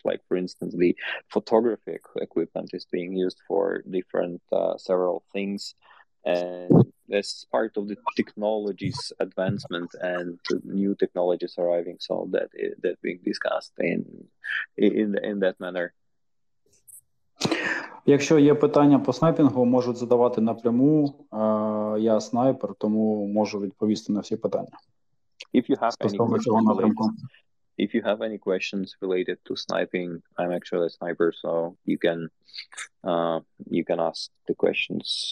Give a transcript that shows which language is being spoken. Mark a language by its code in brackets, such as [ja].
[en] Like, for instance, the photographic equipment is being used for different several things, and as part of the technology's advancement and new technologies arriving, so that being discussed in that manner. [uk] Якщо є питання по снайпінгу, можуть задавати напряму. Я снайпер, тому можу відповісти на всі питання. [en] If you have If you have any questions related to sniping, I'm actually a sniper, so you can ask the questions.